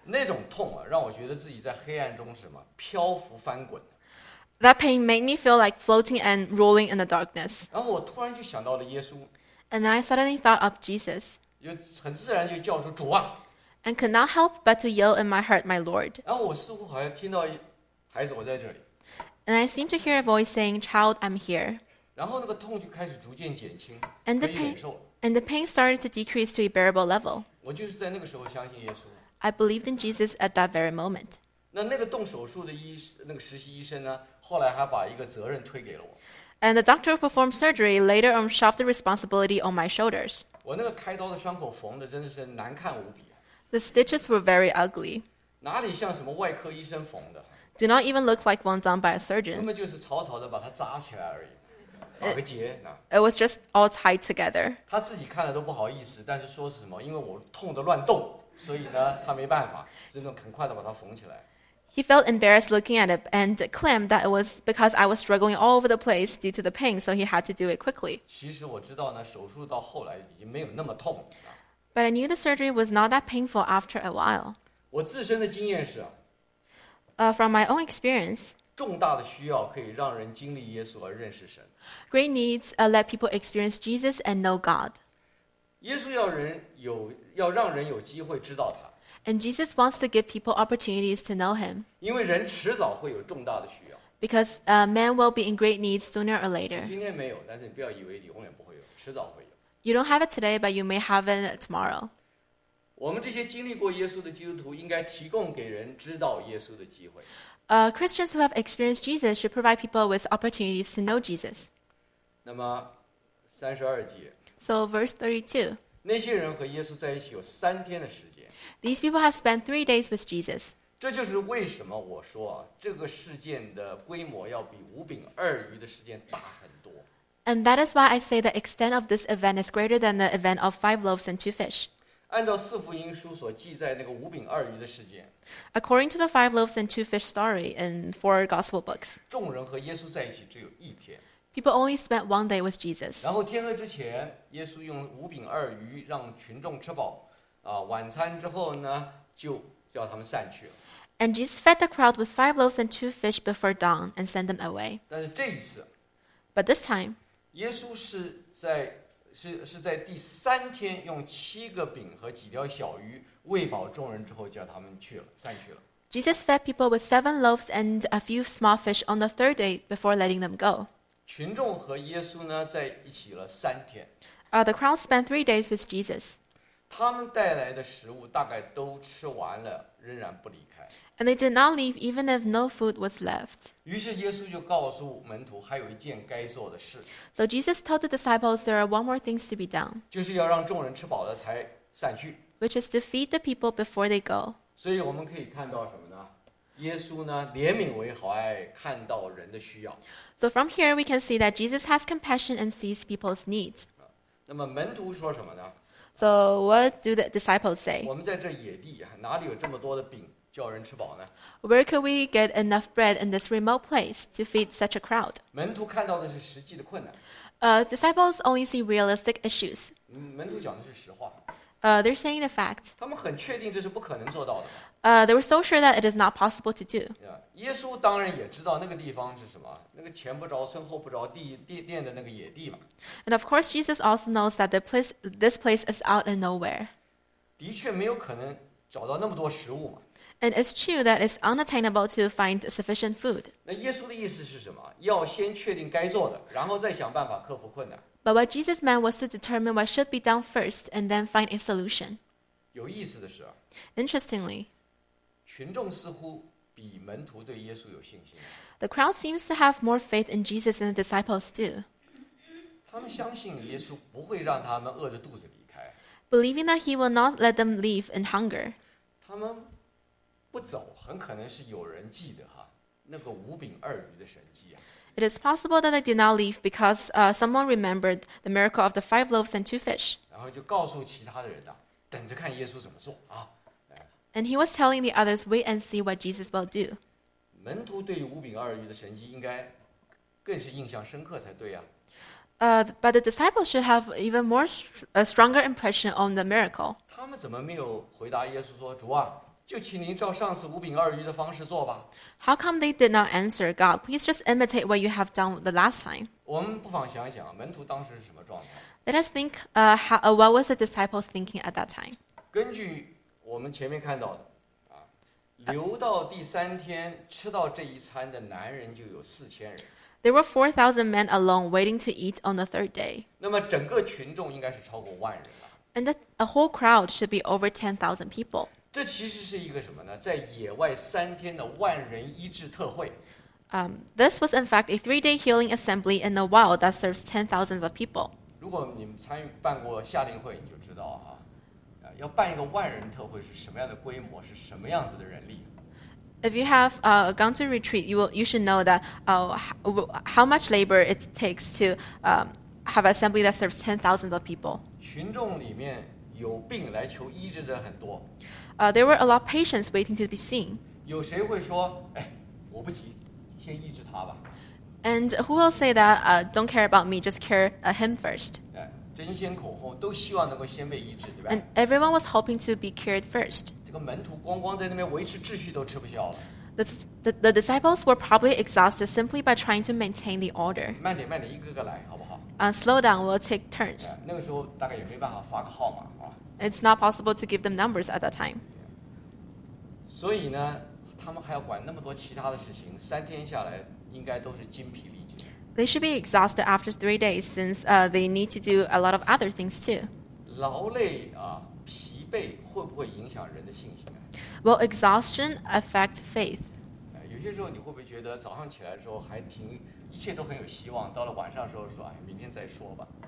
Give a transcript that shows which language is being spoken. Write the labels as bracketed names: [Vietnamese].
[Chinese] 那种痛啊，让我觉得自己在黑暗中什么漂浮翻滚。 [English] That pain made me feel like floating and rolling in the darkness. [Chinese] 然后我突然就想到了耶稣。 [English] And I suddenly thought of Jesus. [Chinese] 就很自然就叫出主啊。 [English] And could not help but to yell in my heart, my Lord. [Chinese] 然后我似乎好像听到孩子，我在这里。 [English] And I seem to hear a voice saying, "Child, I'm here." [Chinese] 然后那个痛就开始逐渐减轻。 [English] And the pain started to decrease to a bearable level. [Chinese] 我就是在那个时候相信耶稣。 [English] I believed in Jesus at that very moment. [Chinese] 那个动手术的那个实习医生呢，后来还把一个责任推给了我。 [English] And the doctor who performed surgery later on shoved the responsibility on my shoulders. [Chinese] 我那个开刀的伤口缝的真的是难看无比。 [English] The stitches were very ugly. [Chinese] 哪里像什么外科医生缝的？ [English] Do not even look like one done by a surgeon. [Chinese] 根本就是草草的把它扎起来而已，打个结。 [English] It was just all tied together. [Chinese] 他自己看了都不好意思，但是说是什么？因为我痛得乱动，所以呢，他没办法，只能很快的把它缝起来。 [English] He felt embarrassed looking at it and claimed that it was because I was struggling all over the place due to the pain, so he had to do it quickly. [Chinese] 其实我知道呢，手术到后来已经没有那么痛了。 [English] But I knew the surgery was not that painful after a while. [Chinese] 我自身的经验是。 [English] From my own experience, [Chinese] 重大的需要可以让人经历耶稣而认识神。 [English] Great needs let people experience Jesus and know God. [Chinese] 耶稣要让人有机会知道他。 [English] And Jesus wants to give people opportunities to know him. [Chinese] 因为人迟早会有重大的需要。 [English] Because man will be in great needs sooner or later. [Chinese] 今天没有，但是你不要以为你永远不会有，迟早会有。 [English] You don't have it today, but you may have it tomorrow. [Chinese] 我们这些经历过耶稣的基督徒应该提供给人知道耶稣的机会。 [English] Christians who have experienced Jesus should provide people with opportunities to know Jesus. [Chinese] 那么32节。 [English] So verse 32. [Chinese] 那些人和耶稣在一起有三天的时间。 [English] These people have spent 3 days with Jesus. [Chinese] 这就是为什么我说这个事件的规模要比五饼二鱼的事件大很多。 [English] And that is why I say the extent of this event is greater than the event of 5 loaves and 2 fish. [Chinese] 按照四福音书所记载那个五饼二鱼的事件 [English] ，According to the 5 loaves and 2 fish story in 4 gospel books， [Chinese] 众人和耶稣在一起只有一天。 [English] People only spent 1 day with Jesus。 [Chinese] 然后天黑之前，耶稣用五饼二鱼让群众吃饱，晚餐之后呢，就叫他们散去了。 [English] And Jesus fed the crowd with 5 loaves and 2 fish before dawn and sent them away。 [Chinese] 但是这一次 [English] ，But this time， [Chinese] 耶稣是在第三天用7个饼和几条小鱼喂饱众人之后叫他们去了散去了。 [English] Jesus fed people with 7 loaves and a few small fish on the 3rd day before letting them go. [Chinese] 群众和耶稣呢在一起了三天。 [English] The crowd spent 3 days with Jesus. [Chinese] 他们带来的食物大概都吃完了仍然不离开。 [English] And they did not leave even if no food was left. [Chinese] 于是耶稣就告诉门徒还有一件该做的事。 [English] So Jesus told the disciples there are 1 more thing to be done. [Chinese] 就是要让众人吃饱了才散去。 [English] Which is to feed the people before they go. [Chinese] 所以我们可以看到什么呢？耶稣呢，怜悯为怀，看到人的需要。 [English] So from here we can see that Jesus has compassion and sees people's needs. [Chinese] 那么门徒说什么呢？ [English] So what do the disciples say? [Chinese] 我们在这野地，哪里有这么多的饼？叫人吃饱呢? [English] Where could we get enough bread in this remote place to feed such a crowd? [Chinese] 门徒看到的是实际的困难。 [English] Disciples only see realistic issues. [Chinese] 门徒讲的是实话。 [English] They're saying the fact. [Chinese] 他们很确定这是不可能做到的。 [English] They were so sure that it is not possible to do. [Chinese] 耶稣当然也知道那个地方是什么，那个前不着村后不着店的那个野地嘛。 [English] And of course, Jesus also knows that this place is out in nowhere. [Chinese] 的确没有可能找到那么多食物嘛。 [English] And it's true that it's unattainable to find sufficient food. [Chinese] 那耶稣的意思是什么？要先确定该做的，然后再想办法克服困难。 [English] But what Jesus meant was to determine what should be done first and then find a solution. [Chinese] 有意思的是 [English] Interestingly, [Chinese] 群众似乎比门徒对耶稣有信心。 [English] The crowd seems to have more faith in Jesus than the disciples do. [Chinese] 他们相信耶稣不会让他们饿着肚子离开。 [English] Believing that he will not let them leave in hunger. [Chinese] 他们不走，很可能是有人记得哈，那个五饼二鱼的神迹啊。 [English] It is possible that they did not leave because someone remembered the miracle of the 5 loaves and 2 fish. [Chinese] 然后就告诉其他的人啊。等着看耶稣怎么做啊。 [English] And he was telling the others, wait and see what Jesus will do. [Chinese] 门徒对于五饼二鱼的神迹应该更是印象深刻才对啊。 [English] But the disciples should have even more stronger impression on the miracle. [Chinese] 他们怎么没有回答耶稣说，主啊，就请您照上次五饼二鱼的方式做吧。 [English] How come they did not answer God? Please just imitate what you have done the last time. [Chinese] 我们不妨想想，门徒当时是什么状态。 [English] Let us think, what was the disciples thinking at that time? [Chinese] 根据我们前面看到的，留到第三天吃到这一餐的男人就有四千人。 [English] There were 4,000 men alone waiting to eat on the third day. [Chinese] 那么整个群众应该是超过万人了。 [English] And a whole crowd should be over 10,000 people. [Chinese] 这其实是一个什么呢？在野外三天的万人医治特会。 [English] This was in fact a three-day healing assembly in the wild that serves 10,000 of people. [Chinese] 如果你们参与办过夏令会，你就知道啊，要办一个万人特会是什么样的规模，是什么样子的人力。 [English] If you have gone to retreat, you should know that how much labor it takes to have an assembly that serves 10,000 of people. [Chinese] 群众里面有病来求医治的很多。 [English] There were a lot of patients waiting to be seen. [Chinese] 有谁会说，哎，我不急，先医治他吧。 [English] And who will say that, don't care about me, just care him first? [Chinese] 争先恐后，都希望能够先被医治，对吧？ [English] And everyone was hoping to be cured first. [Chinese] 这个门徒光光在那边维持秩序都吃不消了。 [English] The disciples were probably exhausted simply by trying to maintain the order. [Chinese] 慢点慢点，一个个来，好不好？ [English] Slow down, we'll take turns. [Chinese] 那个时候大概也没办法发个号码啊。 [English] It's not possible to give them numbers at that time. [Chinese] 所以呢，他们还要管那么多其他的事情，三天下来应该都是精疲力尽。 [English] They should be exhausted after three days since they need to do a lot of other things too. [Chinese] 劳累啊。被会不会影响人的信心？ [English] Will exhaustion affect faith? [Chinese] 有些时候你会不会觉得早上起来的时候还挺一切都很有希望，到了晚上的时候说，哎，明天再说吧。